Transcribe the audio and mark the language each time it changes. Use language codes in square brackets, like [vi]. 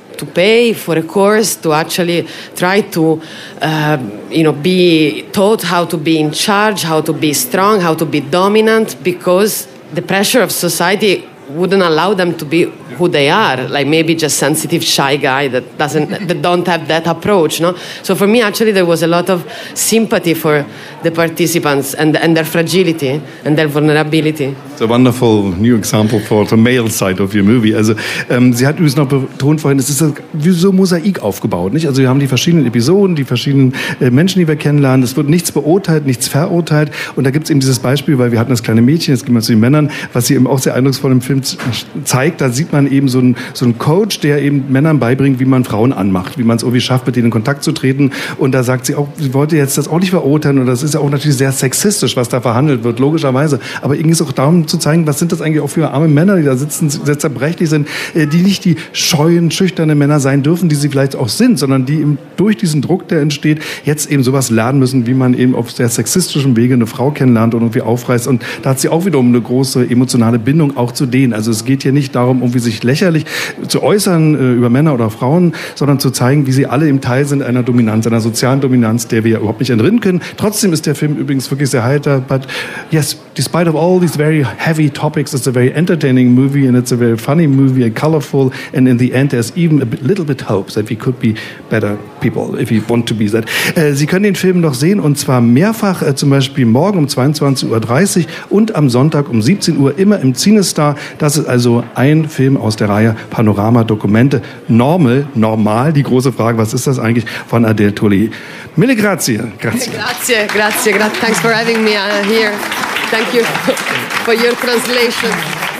[en] to pay for a course to actually try to, you know, be taught how to be in charge, how to be strong, how to be dominant, because the pressure of society wouldn't allow them to be who they are, like maybe just sensitive, shy guy that don't have that approach, no? So for me, actually, there was a lot of sympathy for the participants and their fragility and their vulnerability. It's a wonderful new example for the male side of your movie. [de] Also, sie hat übrigens noch betont vorhin, es ist wie so Mosaik aufgebaut, nicht? Also wir haben die verschiedenen Episoden, die verschiedenen Menschen, die wir kennenlernen. Es wird nichts beurteilt, nichts verurteilt. Und da gibt es eben dieses Beispiel, weil wir hatten das kleine Mädchen, jetzt gehen wir zu den Männern, was sie eben auch sehr eindrucksvoll im Film zeigt. Da sieht man eben so einen Coach, der eben Männern beibringt, wie man Frauen anmacht, wie man es irgendwie schafft, mit denen in Kontakt zu treten. Und da sagt sie auch, sie wollte jetzt das auch nicht verurteilen. Und das ist ja auch natürlich sehr sexistisch, was da verhandelt wird, logischerweise. Aber irgendwie ist es auch darum zu zeigen, was sind das eigentlich auch für arme Männer, die da sitzen, sehr zerbrechlich sind, die nicht die scheuen, schüchternen Männer sein dürfen, die sie vielleicht auch sind, sondern die eben durch diesen Druck, der entsteht, jetzt eben sowas lernen müssen, wie man eben auf sehr sexistischen Wege eine Frau kennenlernt und irgendwie aufreißt. Und da hat sie auch wiederum eine große emotionale Bindung auch zu denen. Also es geht hier nicht darum, irgendwie sich lächerlich zu äußern über Männer oder Frauen, sondern zu zeigen, wie sie alle im Teil sind einer Dominanz, einer sozialen Dominanz, der wir ja überhaupt nicht entrinnen können. Trotzdem ist der Film übrigens wirklich sehr heiter. [en] But yes, despite of all these very heavy topics, it's a very entertaining movie and it's a very funny movie and colorful. And in the end, there's even a little bit hope that we could be better people if we want to be that. [de] Sie können den Film noch sehen und zwar mehrfach, zum Beispiel morgen um 22.30 Uhr und am Sonntag um 17 Uhr immer im CineStar. Das ist also ein Film aus der Reihe Panorama Dokumente. Normal, die große Frage, was ist das eigentlich, von Adele Tulli. [it] Mille grazie. Grazie. Grazie, grazie. [en] Thanks for having me here. Thank you for your translation.